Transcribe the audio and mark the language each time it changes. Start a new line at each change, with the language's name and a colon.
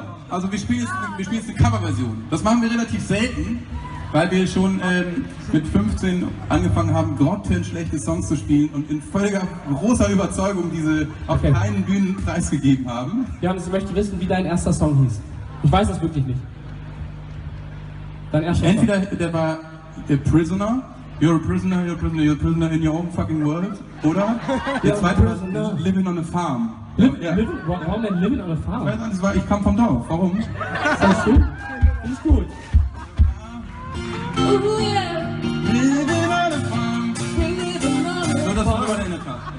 German: Also wir spielen eine Coverversion. Das machen wir relativ selten, weil wir schon mit 15 angefangen haben, grottenschlechte Songs zu spielen und in völliger großer Überzeugung diese auf keinen Bühnen preisgegeben haben. Johannes, ich möchte wissen, wie dein erster Song hieß. Ich weiß das wirklich nicht. Dein erster Entweder Song. Entweder der war
English: The Prisoner, You're a Prisoner, You're a Prisoner, You're a Prisoner in your own fucking world.
German: Oder der zweite war Living on a Farm. Warum denn Living on a Farm? Ich kam vom Dorf. Warum? Ist das gut? Ist gut. Living on a Farm. Das war aber der Tat.